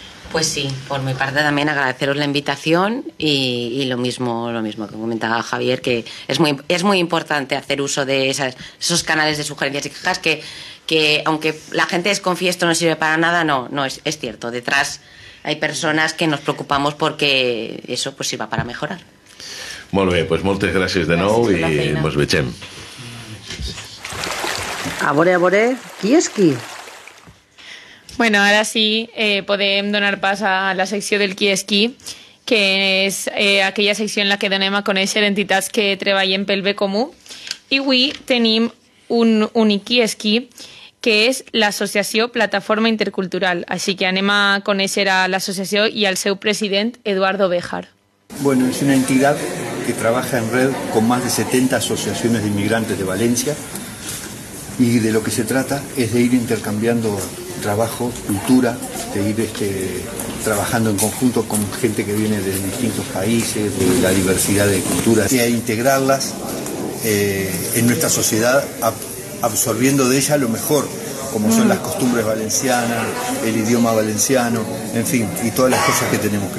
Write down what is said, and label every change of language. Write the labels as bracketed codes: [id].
[es] Pues sí, por mi parte también agradeceros la invitación y lo mismo que comentaba Javier, que es muy importante hacer uso de esos canales de sugerencias y quejas, que aunque la gente desconfíe, esto no sirve para nada, no es cierto, detrás hay personas que nos preocupamos porque eso pues sirva para mejorar. [ca] Molt bé, pues moltes gràcies de nou i mos veiem. A veure, qui és qui? Bueno, ara sí, podem donar pas a la secció del qui és qui, que és aquella secció en la que donem a conèixer entitats que treballen pel bé comú. I avui tenim un únic qui és qui, que és l'Associació Plataforma Intercultural. Així que anem a conèixer a l'associació i al seu president, Eduardo Béjar. [es] Bueno, es una entidad que trabaja en red con más de 70 asociaciones de inmigrantes de Valencia y de lo que se trata es de ir intercambiando trabajo, cultura, de ir trabajando en conjunto con gente que viene de distintos países, de la diversidad de culturas, y a integrarlas en nuestra sociedad absorbiendo de ella lo mejor, como son las costumbres valencianas, el idioma valenciano, en fin, y todas las cosas que tenemos.